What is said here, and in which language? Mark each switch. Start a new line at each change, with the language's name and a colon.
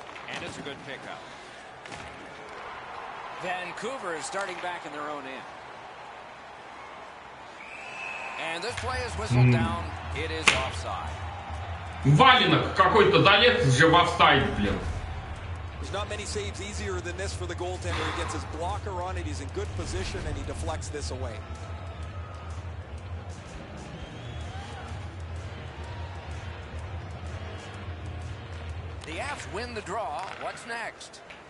English: And it's a good pickup. Vancouver is starting back in their own end. And this play is whistled down. It is offside.
Russian: Валенок какой-то залез же в офсайд, блин.
English: There's not many saves easier than this for the goaltender. He gets his blocker on it. He's in good position and he deflects this away. The Avs win the draw. What's next?